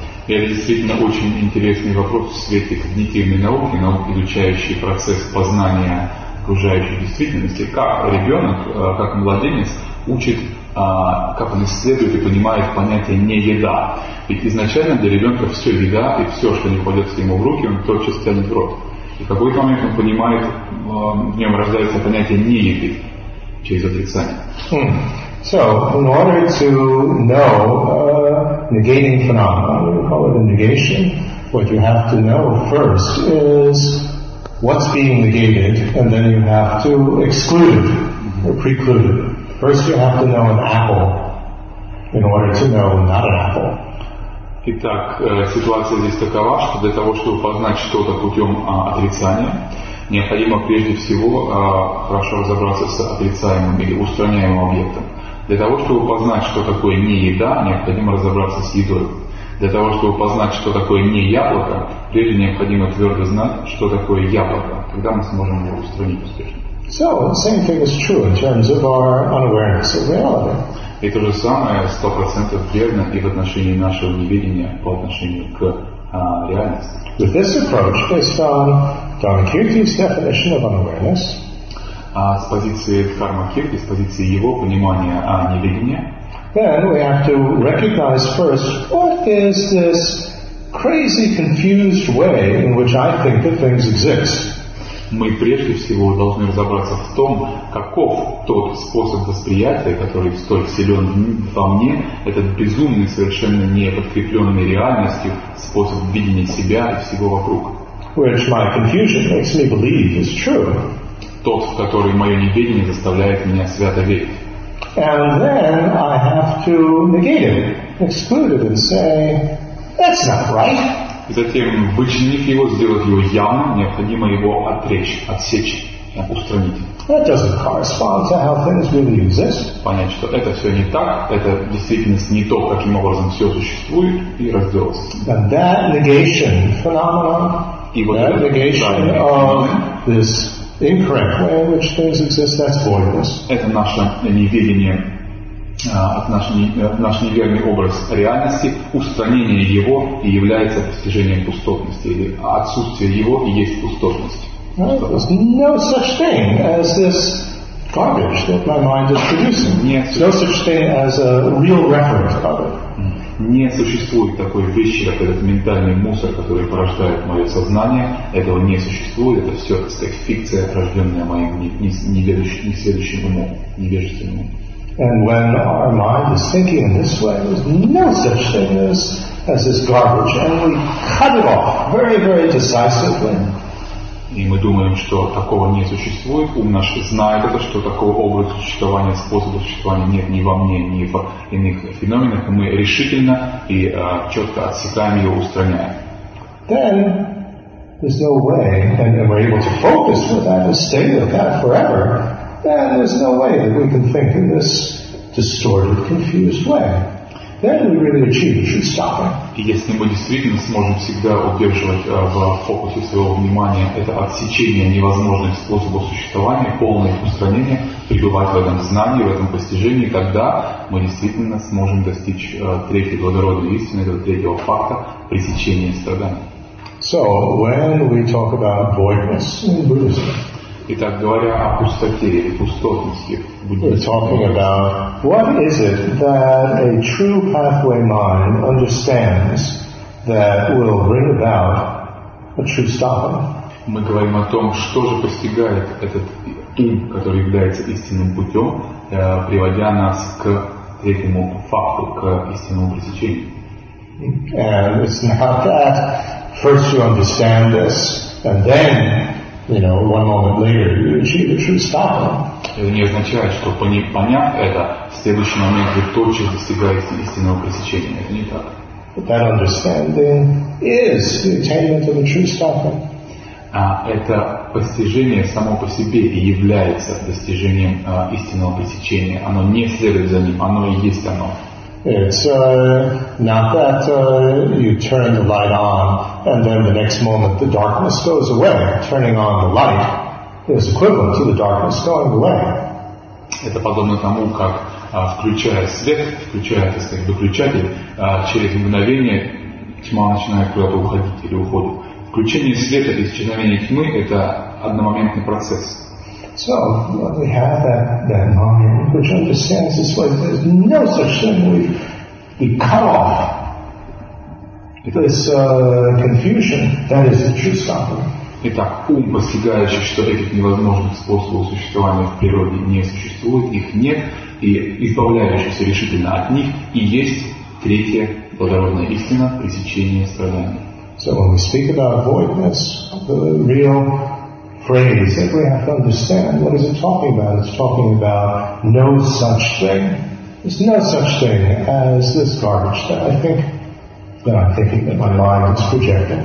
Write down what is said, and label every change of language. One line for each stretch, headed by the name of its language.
Russian: Это действительно очень интересный вопрос в свете когнитивной науки, науки, изучающей процесс познания окружающей действительности. Как ребенок, как младенец, учит как он исследует и понимает понятие «не еда». Ведь изначально для ребенка все еда, и все, что не попадет ему в руки, он тотчас тянет в рот. И в какой-то момент он понимает, в нем рождается понятие «не еды» через отрицание. Hmm.
English: So, in order to know negating phenomenon, we call it a negation, what you have to know first is what's being negated, and then you have to exclude or preclude. First you have to know an apple in order to know not an apple.
Russian: Итак, ситуация здесь такова, что для того, чтобы познать что-то путем отрицания, необходимо прежде всего хорошо разобраться с отрицаемым или устраняемым объектом. Для того, чтобы познать, что такое не еда, необходимо разобраться с едой. Для того, чтобы познать, что такое не яблоко, прежде необходимо твердо знать, что такое яблоко. Тогда мы сможем его устранить успешно.
English: So the same thing is true in terms of our unawareness of reality.
Russian: И то же самое 100% верно и в отношении нашего неведения по отношению к реальности.
English: With this approach, based on Dharmakirti's definition of unawareness,
Russian: с позиции Дхармакирти, с позиции его понимания неведения,
English: then we have to recognize first what is this crazy, confused way in which I think that things exist.
Russian: мы прежде всего должны разобраться в том, каков тот способ восприятия, который столь силен во мне, этот безумный, совершенно не подкрепленный реальностью способ видения себя и всего вокруг.
English: Which my confusion makes me believe is true.
Russian: Тот, в который мое неведение заставляет меня свято верить.
English: And then I have to negate it, exclude it, and say, that's not right.
Russian: Затем, вычленив его, сделать его явным, необходимо его отречь, отсечь, устранить.
English: That doesn't correspond to how things really exist.
Russian: Понять, что это все не так, это в действительности не то, каким образом все существует, и разделаться.
English: And that negation phenomenon, that negation of this incorrect way in which things exist, that's voidness.
Russian: Это наше неведение, наш неверный образ реальности, устранение его и является достижением пустотности, или отсутствие его и есть пустотность.
English: No such thing as this garbage that my mind is producing. No such thing as a real reference of it.
Russian: Не существует такой вещи, как этот ментальный мусор, который порождает мое сознание. Этого не существует. Это все, так сказать, фикция, рожденная моим неведущим умом, невежественным умом.
English: And when our mind is thinking in this way, there's no such thing as this garbage. And we cut it off very, very decisively.
Russian: И мы думаем, что такого не существует. Ум наш знает это, что такого образа существования, способа существования нет ни во мне, ни в иных феноменах. Мы решительно и четко отсекаем его, устраняем.
English: Then there's no way, and we're able to focus with that and stay with that forever. Then there's no way that we can think in this distorted, confused way. Then we really achieve. We should stop it.
Russian: И если мы действительно сможем всегда удерживать в фокусе своего внимания это отсечение невозможных способов существования, полное их устранение, пребывать в этом знании, в этом постижении, тогда мы действительно сможем достичь третьей благородной истины, этого третьего факта пресечения страданий.
English: So when we talk about voidness in Buddhism.
Russian: Итак, говоря о пустоте или пустотности,
English: we're talking about what is it that a true pathway mind understands that will bring about a true stopping.
Russian: Мы говорим о том, что же постигает этот ум, который является истинным путем, приводя нас к этому факту, к истинному пресечению.
English: And it's not that first you understand this and then you know, one moment later, you achieve a true stopping.
Russian: Это не означает, что поняв это, в следующий момент вы тотчас достигаете истинного пресечения. Это не так.
English: But that understanding is the attainment of a true stopping.
Russian: А это постижение само по себе и является достижением истинного пресечения. Оно не следует за ним, оно и есть оно.
English: It's not that you turn the light on and then the next moment the darkness goes away. Turning on the light is equivalent to the darkness going away.
Russian: Это подобно тому, как включая свет, включая, так сказать, выключатель, через мгновение тьма начинает куда-то уходить или уходит. Включение света и исчезновение тьмы – это одномоментный процесс.
English: So when we have that mind which understands this way, there's no such thing. We cut off this confusion. That is the true stopping.
Russian: Итак, ум, постигающий, что этих невозможных способов существования в природе не существует, их нет, и избавляющийся решительно от них, и есть третья благородная истина – пресечение страданий.
English: So when we speak about voidness, the real phrase that we have to understand, what is it talking about? It's talking about no such thing. There's no such thing as this garbage that I think, that I'm thinking, that my mind is projecting.